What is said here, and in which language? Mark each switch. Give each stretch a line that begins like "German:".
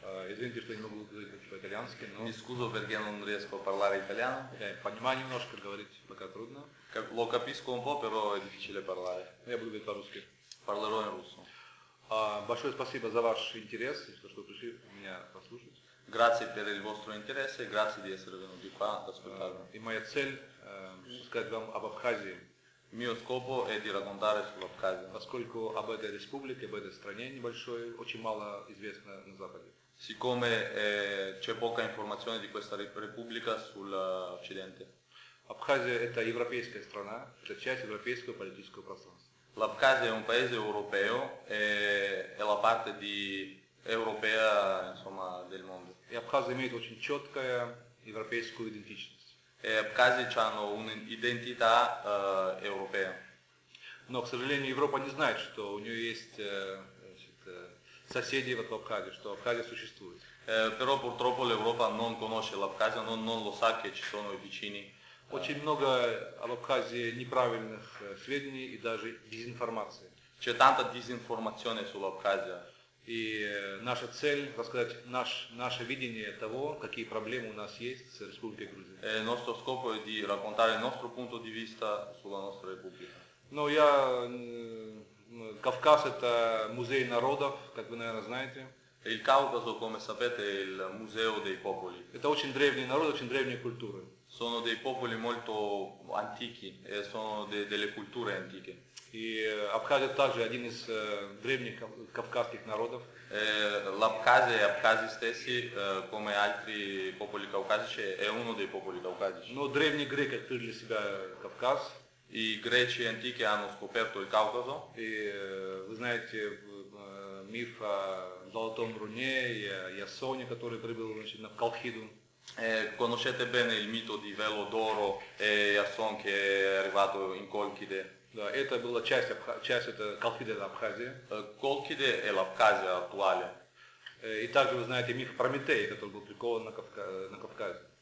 Russian: Извините, что не могу говорить по-итальянски, но...
Italian: Mi scuso perché non riesco a parlare italiano.
Russian: Понимаю немножко, говорить пока трудно.
Italian: Как, lo capisco un po', però è difficile parlare.
Russian: Я буду говорить по-русски.
Italian: Parlerò in russo.
Russian: Большое спасибо за ваш интерес, что пришли меня послушать.
Italian: Grazie per il vostro interesse e grazie di essere venuti qua ad ascoltarmi.
Russian: И моя цель, сказать вам об Абхазии.
Italian: Il mio scopo è di raccontare sull'Abkhazia.
Russian: Поскольку об этой республике, об этой стране небольшой, очень мало известно на Западе.
Italian: Siccome c'è poca informazione di questa repubblica sull'Occidente.
Russian: Абхазия – это европейская страна, это часть европейского политического пространства.
Italian: L'Abkhazia è un paese europeo, è la parte di europea, insomma, del mondo.
Russian: E Абхазия имеет очень четкая европейскую идентичность.
Italian: E Абхазии hanno un'identità europea.
Russian: Но, к сожалению, Европа не знает, что у нее есть значит, соседи в Абхазии, что Абхазия существует.
Italian: Però purtroppo l'Europa non conosce l'Abkhazia, non lo sa che ci sono i vicini.
Russian: Очень много об Абхазии неправильных сведений и даже дезинформации.
Italian: C'è tanta disinformazione sull'Abkhazia.
Russian: И наша цель, так сказать, наше видение того, какие проблемы у нас есть с Республикой Грузия.
Italian: Nostro scopo è di raccontare il nostro punto di vista sulla nostra Repubblica.
Russian: Ну, я... Кавказ – это музей народов, как вы, наверное, знаете.
Italian: Il Caucaso, come sapete, è il museo dei popoli.
Russian: Это очень древний народ, очень древние культуры.
Italian: Sono dei popoli molto antichi, sono delle culture antiche.
Russian: И Абхазия также один из древних кавказских народов.
Italian: L'Abkhazia e Абхази stessi, come altri popoli caucasici, è uno dei popoli caucasici.
Russian: Но древние греки открыли для себя Кавказ. И греки антики
Italian: hanno scoperto il Caucaso.
Russian: И вы знаете миф о Золотом Руне и о Ясоне, который прибыл значит, на Калхиду.
Italian: Conoscete bene il mito di Velo d'Oro e Ясон, che è arrivato in Colchide.
Russian: Да, это была часть это Колхиды на Абхазии. Колхиды и Абхазия актуали. И также вы знаете миф Прометея, который был прикован на Кавказе.